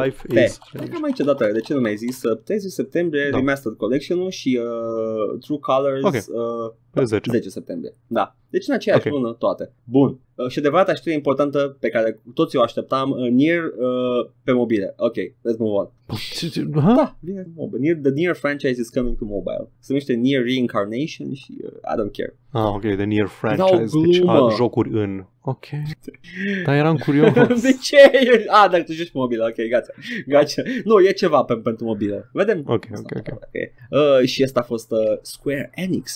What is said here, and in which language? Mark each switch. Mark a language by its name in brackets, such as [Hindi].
[English] Life pe. Is Strange. [Romanian] Nu mai ce dată, de ce nu mai zis? 30 septembrie, da. Remastered Collection-ul și True Colors. Okay. Pe 10. 10 septembrie, da. Deci în aceeași lună toate. Bun. Și adevărata știre importantă pe care toți o așteptam, Nier pe mobile. [English] Ok, let's move on. Da, Nier, the Nier franchise is coming to mobile. [Romanian] Se numește Nier Reincarnation și [English] I don't care. [Romanian] Ah, ok, [English] the Nier franchise. [Romanian] Deci al jocuri în... Ok. Dar eram curios. De ce? Ah, dar tu joci pe mobile. Ok, gata. Gata. Nu, e ceva pentru mobile. Vedem. Ok, ok, ok. Și asta a fost Square Enix.